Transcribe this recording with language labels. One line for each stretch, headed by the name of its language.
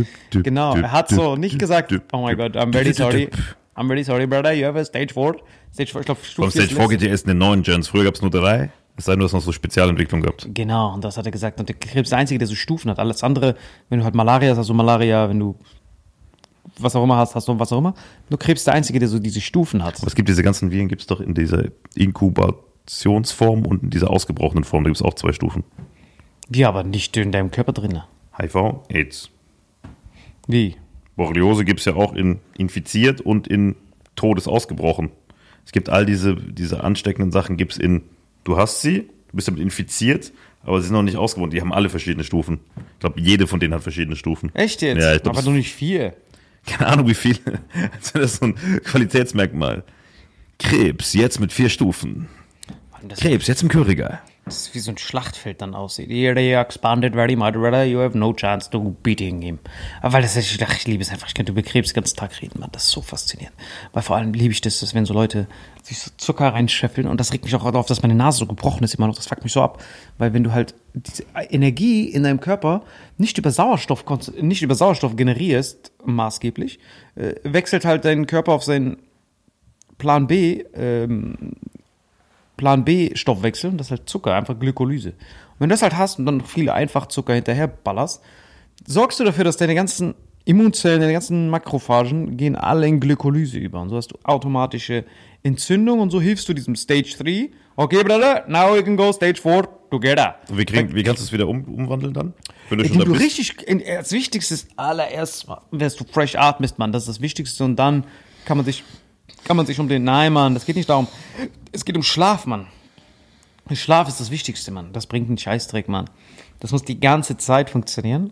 German: genau, er hat so nicht gesagt,
English: oh my God, I'm very sorry. I'm really sorry, brother, you have a stage 4.
German: Stage 4, ich glaube, Stufe 4. Stage 4 geht ja erst in den neuen Gens. Früher gab es nur 3. Es sei denn, du hast noch so Spezialentwicklung gehabt. Genau, und das hat er gesagt. Und der Krebs ist der Einzige, der so Stufen hat. Alles andere, wenn du halt Malaria hast, hast du Malaria. Wenn du was auch immer hast, hast du was auch immer. Nur Krebs ist der Einzige, der so diese Stufen hat. Aber es gibt diese ganzen Viren, gibt es doch in dieser Inkubationsform und in dieser ausgebrochenen Form. Da gibt es auch 2 Stufen. Wie, aber nicht in deinem Körper drin. HIV, AIDS. Wie? Borreliose gibt es ja auch in infiziert und in todesausgebrochen. Es gibt all diese ansteckenden Sachen, gibt es in, du hast sie, du bist damit infiziert, aber sie sind noch nicht ausgebrochen. Die haben alle verschiedene Stufen. Ich glaube, jede von denen hat verschiedene Stufen. Echt jetzt? Ja, glaub, aber nur nicht 4. Keine Ahnung, wie viele. Das ist so ein Qualitätsmerkmal. Krebs, jetzt mit 4 Stufen. Mann, Krebs, jetzt im Kühlregal. Das ist wie so ein Schlachtfeld dann aussieht.
English: Here they expanded very much, brother. You have no chance to beating him.
German: Aber weil das ist, ach, ich liebe es einfach. Ich könnte über Krebs den ganzen Tag reden, Mann. Das ist so faszinierend. Weil vor allem liebe ich das, dass wenn so Leute sich so Zucker reinschöpfeln. Und das regt mich auch darauf, dass meine Nase so gebrochen ist immer noch. Das fuckt mich so ab. Weil wenn du halt diese Energie in deinem Körper nicht über Sauerstoff generierst, maßgeblich, wechselt halt dein Körper auf seinen Plan B, Plan B Stoffwechsel, und das ist halt Zucker, einfach Glykolyse. Und wenn du das halt hast und dann noch viele Einfachzucker hinterher ballerst, sorgst du dafür, dass deine ganzen Immunzellen, deine ganzen Makrophagen gehen alle in Glykolyse über. Und so hast du automatische Entzündung und so hilfst du diesem Stage 3.
English: Okay, Brother, now you can go Stage 4 together.
German: Und wie kannst du es wieder umwandeln dann? Das Wichtigste ist allererst, wenn du fresh atmest, Mann, das ist das Wichtigste. Und dann kann man sich um den, nein, Mann, das geht nicht darum. Es geht um Schlaf, Mann. Schlaf ist das Wichtigste, Mann. Das bringt einen Scheißdreck, Mann. Das muss die ganze Zeit funktionieren.